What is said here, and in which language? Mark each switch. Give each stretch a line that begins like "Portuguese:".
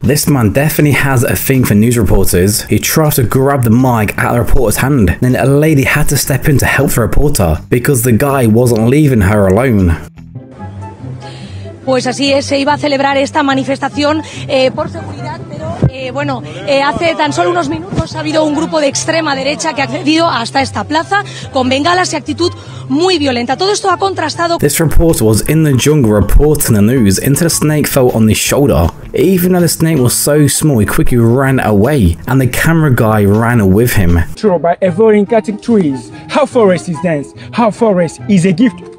English: This man definitely has a thing for news reporters. He tried to grab the mic at the reporter's hand, then a lady had to step in to help the reporter because the guy wasn't leaving her alone.
Spanish: Pues así es, se iba a celebrar esta manifestación por seguridad, pero bueno, hace tan solo unos minutos ha habido un grupo de extrema derecha que ha accedido hasta esta plaza con bengalas y actitud muy violenta. Todo esto ha contrastado.
English: This reporter was in the jungle reporting the news until the snake fell on his shoulder. Even though the snake was so small, he quickly ran away, and the camera guy ran with him. True, by avoiding cutting trees, how forest is dense, how forest is a gift.